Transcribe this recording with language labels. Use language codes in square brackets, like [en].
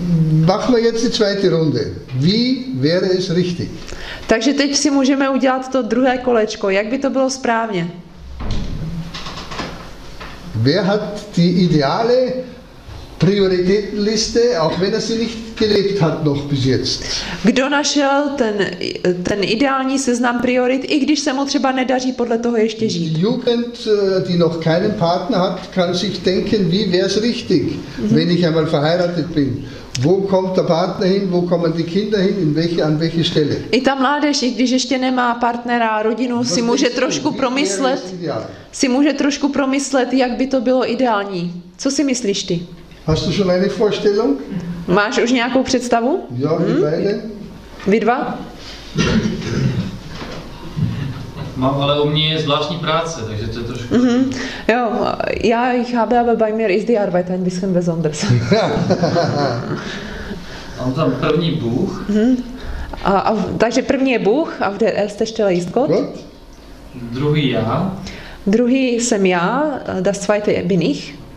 [de] Machen wir jetzt die zweite Runde. Wie wäre es richtig? [cs] Takže teď si můžeme udělat to druhé kolečko. Jak by to bylo správně? [de] Wer hat die ideale Prioritätenliste, auch wenn er sie nicht gelebt hat noch bis jetzt? [cs] Kdo našel ten ideální seznam priorit, i když se mu třeba nedaří podle toho ještě žít? [de] Jugend, die noch keinen Partner hat, kann sich denken, wie wäre es richtig, wenn ich einmal verheiratet bin. Wo kommt der Partner hin, wo kommen die Kinder hin, an welche Stelle? [cs] I ta mládež, i když ještě nemá partnera a rodinu, si může trošku promyslet, jak by to bylo ideální. Co si myslíš ty? [de] Hast du schon eine Vorstellung? [cs] Máš už nějakou představu? [de] Ja, wir beide. [cs] Vy dva? Mám, ale u mě je zvláštní práce, takže to je trošku... [de] Jo, ja, ich habe aber bei mir ist die Arbeit ein bisschen besonders. [cs] Mám tam první Bůh. Takže první je Bůh, a v [de] der erste Stelle ist Gott. [cs] Druhý já. Druhý jsem já, [de] das zweite bin ich.